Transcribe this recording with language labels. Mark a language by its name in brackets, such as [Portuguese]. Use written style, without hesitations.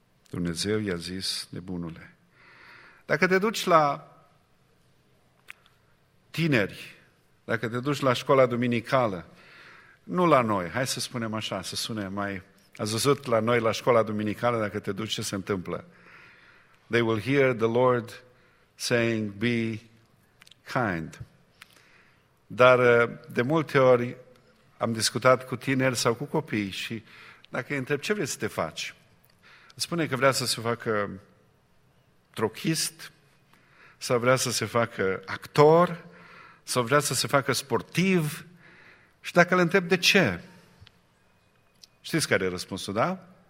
[Romanian] Dumnezeu i-a zis, nebunule. Dacă te duci la tineri, dacă te duci la școala duminicală, nu la noi, hai să spunem așa, să sune mai... Ați văzut la noi, la școala duminicală, dacă te duci, ce se întâmplă? [English] They will hear the Lord saying, be kind. [Romanian] Dar de multe ori am discutat cu tineri sau cu copii și dacă îi întreb ce vrei să te faci, spune că vrea să se facă trochist sau vrea să se facă actor sau vrea să se facă sportiv și dacă le întreb de ce, știți care e răspunsul, da?